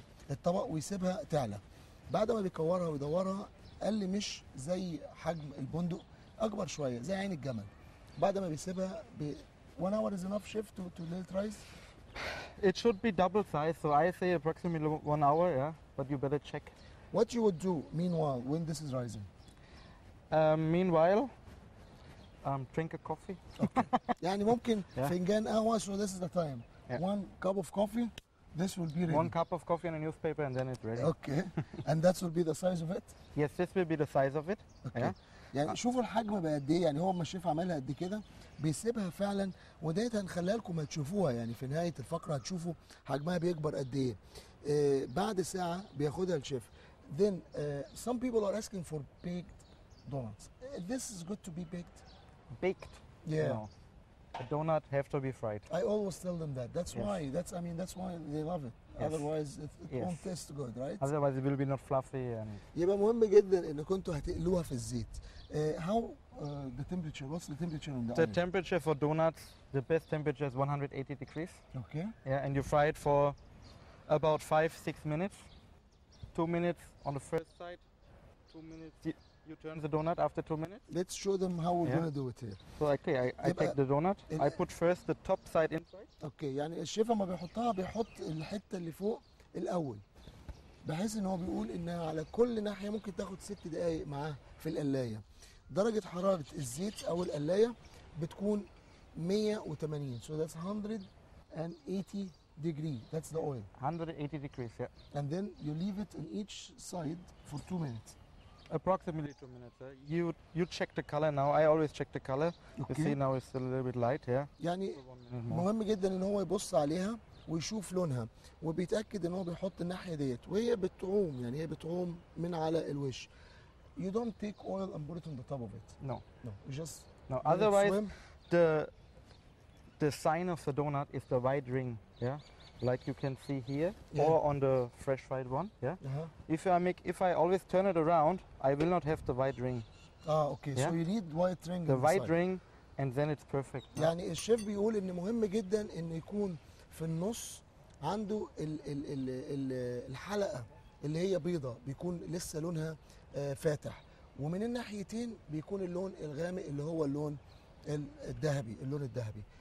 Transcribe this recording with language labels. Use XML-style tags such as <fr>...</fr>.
<ar>الطبق ويسيبها تعلى بعد ما بيكورها ويدورها قال لي مش زي حجم البندق اكبر شوية زي عين الجمل بعد ما بيسيبها</ar> <en>One hour is enough shift to let rise? It should be double size, so I say approximately 1 hour, yeah? But you better check. What you would do meanwhile, when this is rising? Meanwhile, drink a coffee. Okay.</en> <ar>يعني ممكن فنجان قهوة,</ar> <en>so this is the time. Yeah. One cup of coffee, this will be ready. One cup of coffee and a newspaper and then it's ready. Okay. And that will be the size of it? Yes, this will be the size of it. Okay. Yeah?</en> <ar>يعني شوفوا الحجم بقى قد ايه يعني هو ما شاف عملها قد كده بيسيبها فعلا وديت هنخليها لكم هتشوفوها يعني في نهايه الفقره هتشوفوا حجمها بيكبر قد ايه بعد ساعه بياخدها الشيف</ar> <en>then some people are asking for baked donuts this is good to be baked yeah a donut have to be fried I always tell them that that's yes. why that's I mean that's why they love it yes. otherwise it yes. won't taste good right otherwise it will be not fluffy and</en> <ar>يبقى مهم جدا انكم انتوا هتقلوها في الزيت</ar> <en>how the temperature what's the temperature on the the oil? Temperature for donuts the best temperature is 180 degrees okay yeah and you fry it for about 5-6 minutes 2 minutes on the first side 2 minutes You turn the donut after 2 minutes. Let's show them how we're gonna do it here. So okay, I take the donut. I put first the top side inside.</en> <ar>Okay, يعني الشيف ما بيحطها بيحط الحتة اللي فوق الأول. بحيث إن هو بيقول إنها على كل ناحية ممكن تاخد 6 دقايق معاه في القلاية. درجة حرارة الزيت أو القلاية بتكون 180.</ar> <en>So that's 180 degrees. That's the oil. 180 degrees, yeah. And then you leave it on each side for 2 minutes. Approximately 2 minutes. You check the color now. I always check the color. Okay. You see now it's a little bit light here.</en> <ar>يعني مهم جدا ان هو يبص عليها ويشوف لونها وبيتاكد ان هو بيحط الناحيه ديت وهي بتعوم يعني هي بتعوم من على الوش.</ar> <en>You don't take oil and put it on the top of it. No. No. You just No, otherwise the sign of the donut is the white ring, yeah? Like you can see here, or on the fresh fried one, yeah. Uh-huh. If I always turn it around, I will not have the white ring. Ah, okay. Yeah? So you need white ring. The white ring, and then it's perfect.</en> <ar>يعني الشيف بيقول إن مهم جدا إن يكون في النص عنده ال ال ال ال الحلقة اللي هي بيضة بيكون لسه لونها فاتح ومن الناحيتين بيكون اللون الغامق اللي هو اللون الذهبي اللون الذهبي.</ar>